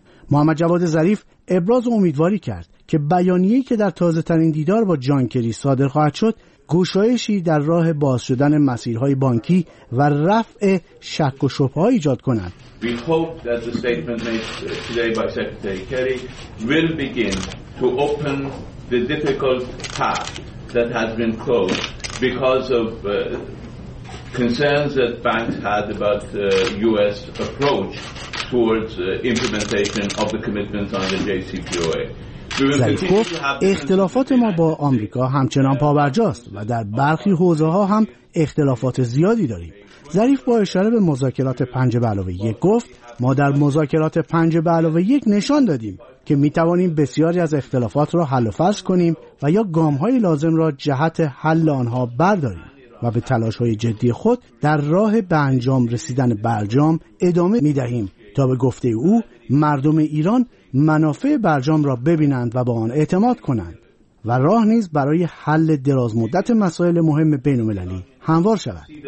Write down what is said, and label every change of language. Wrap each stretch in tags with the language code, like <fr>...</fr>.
<fa>محمد جواد ظریف ابراز امیدواری کرد که بیانیه‌ای که در تازه‌ترین دیدار با جان کری صادر خواهد شد گشایشی در راه باز شدن مسیرهای بانکی و رفع شک و شبهه‌ها ایجاد کند.</fa> <en>We hope that the statement made today by Secretary Kerry will begin to open the difficult path that has been closed because of concerns that banks had about the US approach towards implementation of the commitment on the JCPOA.</en> <fa>ظریف گفت اختلافات ما با آمریکا همچنان پابرجاست و در برخی حوزه‌ها هم اختلافات زیادی داریم. ظریف با اشاره به مذاکرات 5+1 گفت ما در مذاکرات 5+1 نشان دادیم که می‌توانیم بسیاری از اختلافات را حل و فصل کنیم و یا گام‌های لازم را جهت حل آنها برداریم و به تلاش‌های جدی خود در راه به انجام رسیدن برجام ادامه می‌دهیم تا به گفته او مردم ایران منافع برجام را ببینند و به آن اعتماد کنند و راه نیز برای حل درازمدت مسائل مهم بین المللی هموار شود.</fa>